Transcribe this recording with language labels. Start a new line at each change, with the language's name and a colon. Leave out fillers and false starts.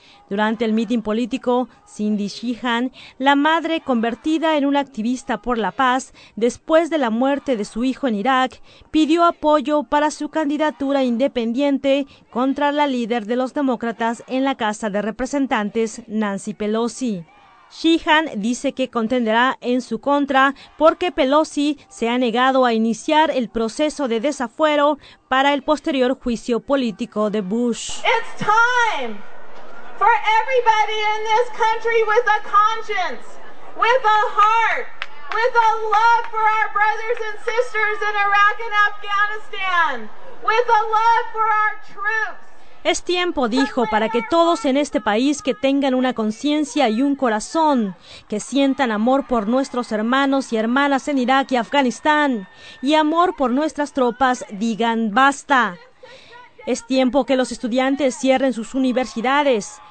Spanish: Durante el mitin político, Cindy Sheehan, la madre convertida en una activista por la paz después de la muerte de su hijo en Irak, pidió apoyo para su candidatura independiente contra la líder de los demócratas en la Casa de Representantes, Nancy Pelosi. Sheehan dice que contenderá en su contra porque Pelosi se ha negado a iniciar el proceso de desafuero para el posterior juicio político de Bush.
English: It's time. For everybody in this country with a conscience, with a heart, with a love for our brothers and sisters in Iraq and Afghanistan, with a love for our troops.
Spanish: Es tiempo, dijo, para que todos en este país que tengan una conciencia y un corazón, que sientan amor por nuestros hermanos y hermanas en Irak y Afganistán, y amor por nuestras tropas, digan basta. Es tiempo que los estudiantes cierren sus universidades.